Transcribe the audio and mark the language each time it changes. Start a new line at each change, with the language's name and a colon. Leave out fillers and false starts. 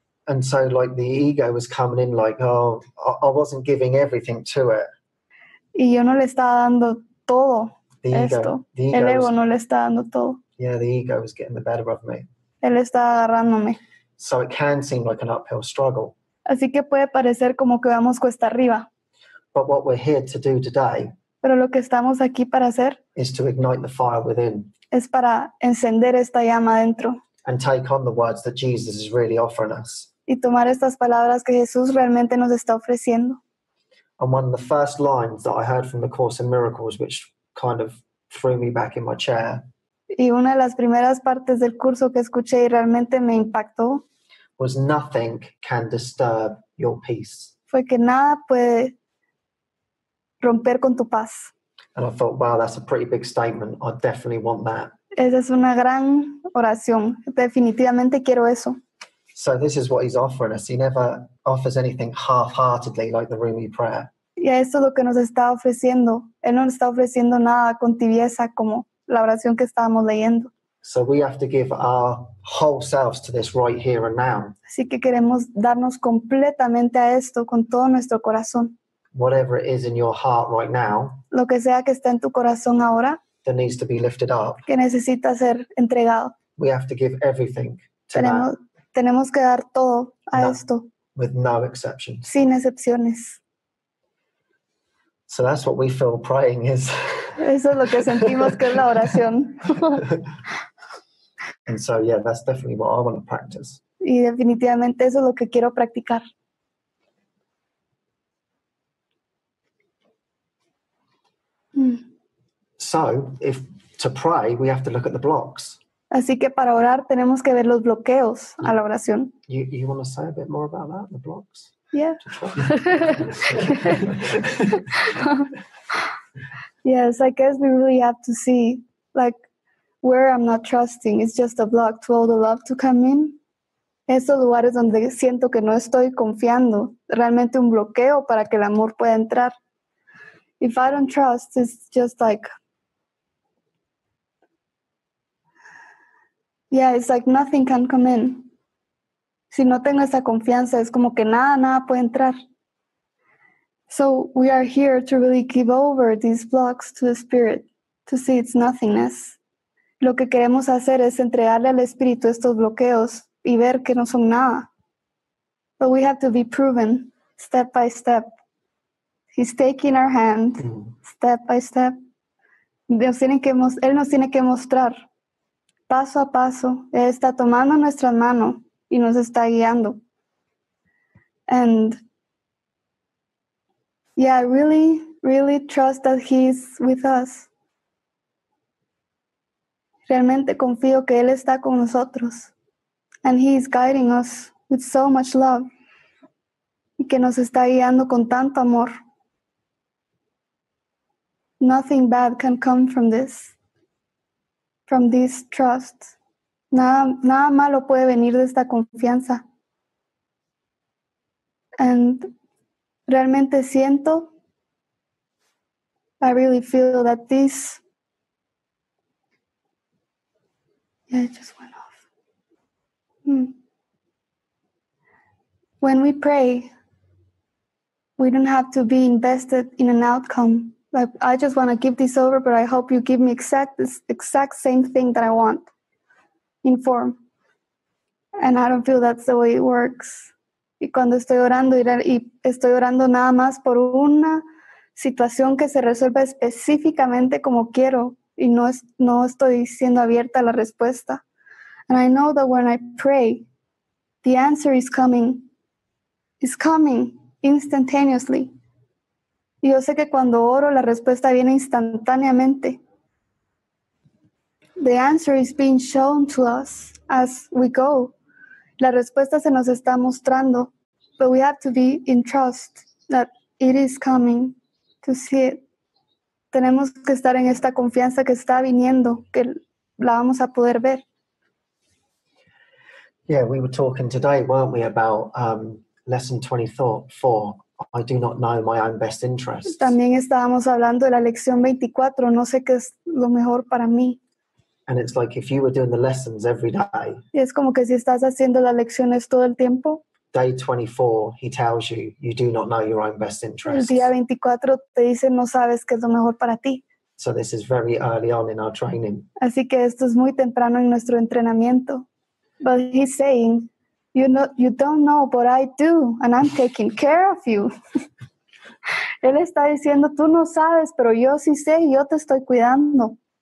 English: And so, like, the ego was coming in, like, oh, I wasn't giving everything to it.
Spanish: Y yo no le estaba dando todo
English: the
Spanish: esto. El ego no le estaba dando todo.
English: Yeah, the ego was getting the better of me.
Spanish: Él estaba agarrándome.
English: So it can seem like an uphill struggle.
Spanish: Así que puede parecer como que vamos cuesta arriba.
English: But what we're here to do today.
Spanish: Pero lo que estamos aquí para hacer.
English: Is to ignite the fire within.
Spanish: Es para encender esta llama dentro.
English: And take on the words that Jesus is really offering us.
Spanish: Y tomar estas palabras que Jesús realmente nos está ofreciendo.
English: And one of the first lines that I heard from the Course in Miracles, which kind of threw me back in my chair.
Spanish: Y una de las primeras partes del curso que escuché y realmente me impactó.
English: Was nothing can disturb your peace.
Spanish: Fue que nada puede romper con tu paz.
English: And I thought, wow, that's a pretty big statement. I definitely want that.
Spanish: Esa es una gran oración. Definitivamente quiero eso.
English: So this is what he's offering us. He never offers anything half-heartedly like the Rumi prayer.
Spanish: Y esto es lo que nos está ofreciendo. Él no nos está ofreciendo nada con tibieza como la oración que estábamos leyendo.
English: So we have to give our whole selves to this right here and now.
Spanish: Así que queremos darnos completamente a esto con todo nuestro corazón.
English: Whatever it is in your heart right now.
Spanish: Lo que sea que está en tu corazón ahora.
English: That needs to be lifted up.
Spanish: Que necesita ser entregado.
English: We have to give everything to
Spanish: Tenemos que dar todo a esto.
English: With no exceptions.
Spanish: Sin excepciones.
English: So that's what we feel praying is.
Spanish: Eso es lo que sentimos que es la oración.
English: And so, yeah, that's definitely what I want to practice.
Spanish: Y definitivamente eso es lo que quiero practicar.
English: So, if to pray, we have to look at the blocks.
Spanish: Así que para orar tenemos que ver los bloqueos a la oración.
English: You want to say a bit more about that, the blocks? Yeah. Yes, I guess we really have to see, like, where I'm not trusting. It's just a block to all the love to come in.
Spanish: Esos lugares donde siento que no estoy confiando. Realmente un bloqueo para que el amor pueda entrar.
English: If I don't trust, it's just like... Yeah, it's like nothing can come in.
Spanish: Si no tengo esa confianza, es como que nada puede entrar.
English: So we are here to really give over these blocks to the Spirit, to see its nothingness.
Spanish: Lo que queremos hacer es entregarle al Espíritu estos bloqueos y ver que no son nada.
English: But we have to be proven step by step. He's taking our hand step by step.
Spanish: Él nos tiene que mostrar paso a paso. Él está tomando nuestra mano y nos está guiando.
English: And... Yeah, I really, really trust that he's with us.
Spanish: Realmente confío que él está con nosotros.
English: And he is guiding us with so much love.
Spanish: Y que nos está guiando con tanto amor.
English: Nothing bad can come from this. From this trust.
Spanish: Nada malo puede venir de esta confianza. And realmente siento...
English: I really feel that this, yeah, it just went off. When we pray, we don't have to be invested in an outcome. Like, I just want to give this over, but I hope you give me exact same thing that I want in form. And I don't feel that's the way it works.
Spanish: Y cuando estoy orando nada más por una situación que se resuelva específicamente como quiero y no estoy siendo abierta a la respuesta.
English: And I know that when I pray, the answer is coming. It's coming instantaneously.
Spanish: Yo sé que cuando oro, la respuesta viene instantáneamente.
English: The answer is being shown to us as we go.
Spanish: La respuesta se nos está mostrando,
English: but we have to be in trust that it is coming to see it.
Spanish: Tenemos que estar en esta confianza que está viniendo, que la vamos a poder ver.
English: Yeah, we were talking today, weren't we, about lesson 24, I do not know my own best interests.
Spanish: También estábamos hablando de la lección 24, no sé qué es lo mejor para mí.
English: And it's like if you were doing the lessons every day.
Spanish: Y es como que si estás haciendo las lecciones todo el tiempo.
English: Day 24, he tells you, you do not know your own best interests.
Spanish: El día 24 te dice, no sabes qué es lo mejor para ti.
English: So this is very early on in our training.
Spanish: Así que esto es muy temprano en nuestro entrenamiento.
English: But he's saying, you know, you don't know, but I do, and I'm taking care of you.
Spanish: Él está diciendo, tú no sabes, pero yo sí sé, yo te estoy cuidando.